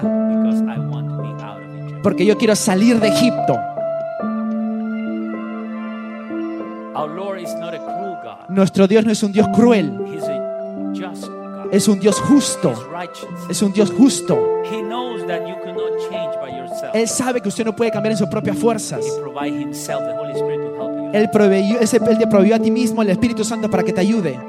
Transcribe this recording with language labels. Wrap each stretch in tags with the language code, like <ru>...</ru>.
<en>Because I want to be out of Egypt.</en> <es>Porque yo quiero salir de Egipto.</es> <en>Our Lord is not a cruel God.</en> <es>Nuestro Dios no es un Dios cruel.</es> <en>He's a just God.</en> <es>Es un Dios justo.</es> <en>He's righteous.</en> <es>Es un Dios justo.</es> <en>He knows that you cannot change by yourself.</en> <es>Él sabe que usted no puede cambiar en sus propias fuerzas.</es> <en>He provide himself, the Holy Spirit, to help you.</en> <es>Él te proveyó a ti mismo el Espíritu Santo para que te ayude.</es>